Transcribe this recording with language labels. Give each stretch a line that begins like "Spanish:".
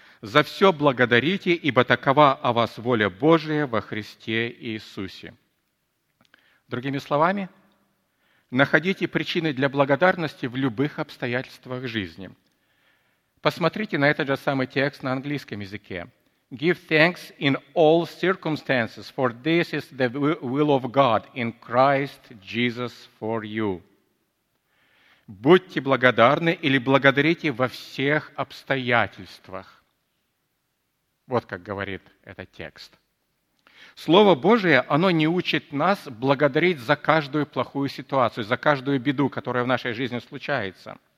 Russian: «За все благодарите, ибо такова о вас воля Божия во Христе Иисусе». Другими словами, находите причины для благодарности в любых обстоятельствах жизни. Посмотрите на этот же самый текст на английском языке.
English: «Give thanks in all circumstances, for this is the will of God in Christ Jesus for you».
Russian: Будьте благодарны или благодарите во всех обстоятельствах. Вот как говорит этот текст. Слово Божие, оно не учит нас благодарить за каждую плохую ситуацию, за каждую беду, которая в нашей жизни случается.